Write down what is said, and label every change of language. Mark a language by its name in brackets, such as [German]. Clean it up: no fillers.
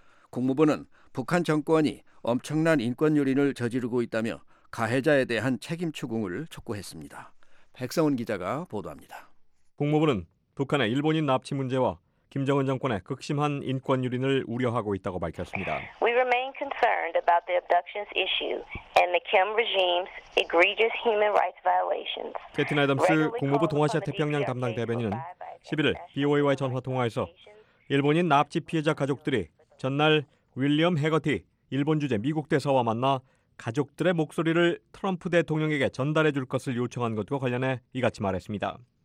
[Korean] 국무부는 북한 정권이 엄청난 인권 유린을 저지르고 있다며 가해자에 대한 책임 추궁을 촉구했습니다. 백성훈 기자가 보도합니다. 국무부는 북한의 일본인 납치 문제와 김정은 정권의 극심한 인권 유린을 우려하고 있다고 밝혔습니다. [English] We remain concerned about the abductions issue and the Kim regime's egregious human rights violations. [Korean] 캐티나 애덤스 국무부 동아시아 태평양 담당 대변인은 11일 BOA와의 전화 통화에서 일본인 납치 피해자 가족들이 전날 윌리엄 해거티 일본 주재 미국 대사와 만나 가족들의 목소리를 트럼프 대통령에게 전달해 줄 것을 요청한 것과 관련해 이같이 말했습니다.